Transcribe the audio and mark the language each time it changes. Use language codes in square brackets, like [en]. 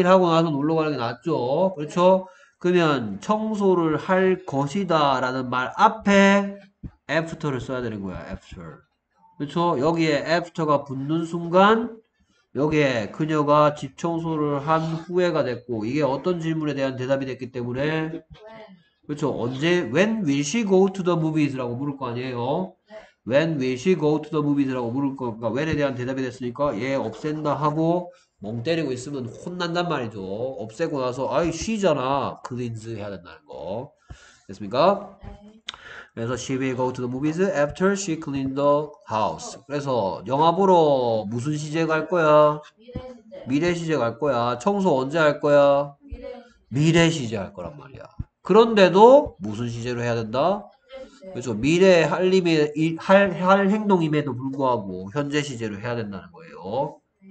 [ko] 일 하고 나서 놀러 가는 게 낫죠. 그렇죠? 그러면 청소를 할 것이다라는 말 앞에 after를 써야 되는 거야. after. 그렇죠? 여기에 after가 붙는 순간 여기에 그녀가 집 청소를 한 후회가 됐고 이게 어떤 질문에 대한 대답이 됐기 때문에. 그렇죠. 언제, [en] when will she go to the movies? 라고 물을 거 아니에요. when will she go to the movies? [ko] 라고 물을 거, 그러니까 when에 대한 대답이 됐으니까, 얘 없앤다 하고, 멍 때리고 있으면 혼난단 말이죠. 없애고 나서, 아이, she잖아. cleans 해야 된다는 거. 됐습니까? 그래서 [en] she will go to the movies after she cleaned the house. [ko] 그래서 영화 보러 무슨 시제 갈 거야? 미래 시제 갈 거야. 청소 언제 할 거야? 미래 시제 할 거란 말이야. 그런데도 무슨 시제로 해야 된다? 그래서 미래에 할 행동임에도 불구하고 현재 시제로 해야 된다는 거예요.